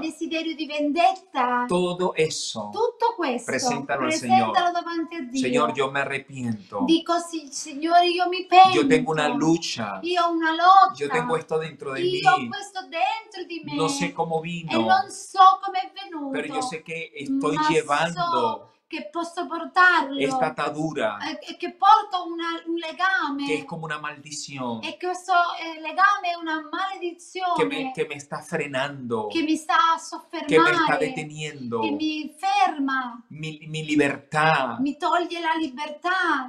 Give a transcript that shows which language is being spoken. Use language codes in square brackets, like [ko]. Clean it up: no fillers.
[it] quel desiderio di vendetta, [es] todo eso, [it] tutto questo, [es] presentalo al Señor, [it] davanti a Dio. [es] Señor, yo me arrepiento, [it] dico sì, Signore, io mi pento, [es] yo tengo una lucha, [it] io ho una lotta, [es] yo tengo esto dentro de mí, [it] io ho questo dentro di me, [es] no sé cómo vino, [it] e non so come è venuto, [es] pero yo sé que estoy llevando, [it] che posso portarlo, è stata dura, che porto un legame, che è come una maldizione, e questo legame è una maledizione, che mi sta frenando, che mi sta soffermando, che mi sta detenendo, che mi ferma, mi libertà, mi toglie la libertà,